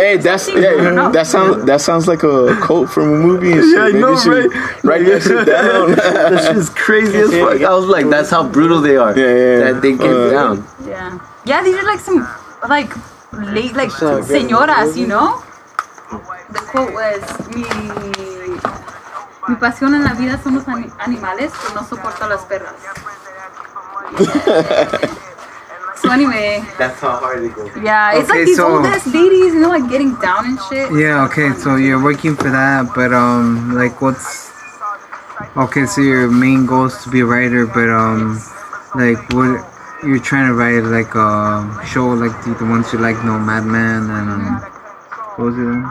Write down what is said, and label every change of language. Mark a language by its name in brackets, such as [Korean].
[English] Hey, that sounds like a quote from a movie and shit. Yeah, I know, right? Write that shit down. That shit's crazy as fuck. I was like, that's how brutal they are. Yeah. That they get down. Yeah. Yeah, these are like some, like, late, like, señoras, you know? The quote was, [Spanish] mi pasión en la vida son los animales, pero no soporto las perras. [English] So anyway. That's how hard it goes. Yeah, it's okay, like these old-ass ladies, you know, like, getting down and shit. Yeah, okay, so you're working for that, but, like, what's... Okay, so your main goal is to be a writer, but, like, what... You're trying to write like a show like the ones you like, no, Mad Men and what was it?